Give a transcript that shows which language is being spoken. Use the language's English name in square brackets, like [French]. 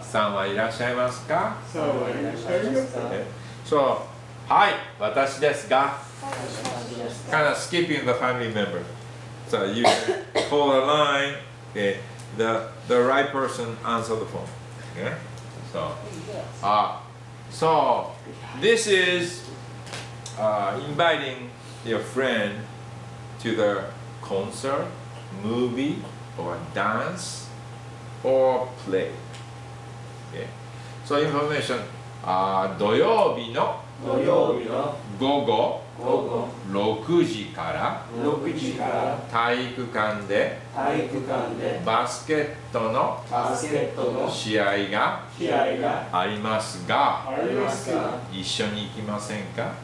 [Japanese] さんはいらっしゃいますか、そうはいらっしゃいますか、そう、はい、私ですが、私です [English] か、kind of skipping the family member, so you call the line, okay, the right person answer the phone, okay, so, So, this is inviting your friend to the concert, movie, or dance, or play. Okay. So, information. [Japanese] 土曜日の午後6時から体育館でバスケットの試合がありますが一緒に行きませんか？